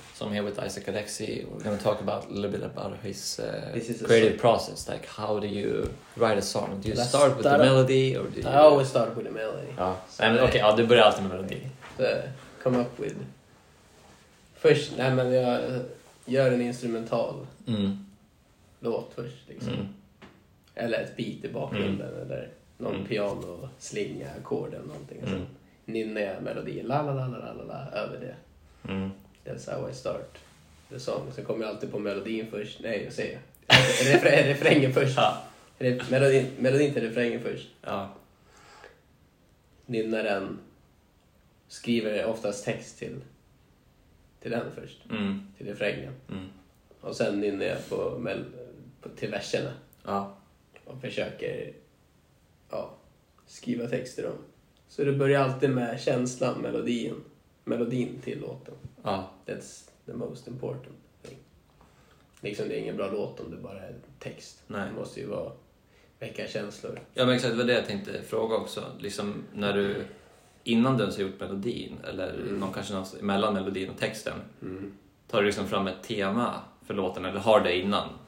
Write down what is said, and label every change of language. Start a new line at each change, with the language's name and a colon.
English: So I'm here with Isaac Alexi. We're going to talk about a little bit about his creative process. Like, how do you write a song? Do you start with the melody? Or do you... I always start with the melody.
Swedish: Ja. So and, okay, du börjar alltid med melodi.
English: Come up with...
Swedish: Först, nej men jag gör en instrumental låt först liksom. Mm. Eller ett beat i bakgrunden eller någon piano, slinga, ackord eller någonting. Mm. Nynnar jag melodin, la la la la la la, över det. Mm.
English: That's how I start the song.
Swedish: Sen kommer jag alltid på melodin först. Nej, jag säger. Refrängen först. Ja. Melodin till refrängen först. Ja. Nynnar den, skriver oftast text till. Till den först. Mm. Till refrängen. Mm. Och sen nynnar jag till verserna. Ja. Och försöker skriva texter om. Så det börjar alltid med känslan, melodin. Melodin till låten. Ja.
English: That's the most important thing.
Swedish: Liksom det är ingen bra låt om det bara är text. Nej. Det måste ju vara väcka känslor. Ja men exakt, det var det jag tänkte fråga också. Liksom när du... Innan du ens har gjort melodin, eller någon kanske någon mellan melodin och texten, tar du liksom fram ett tema för låten, eller har det innan?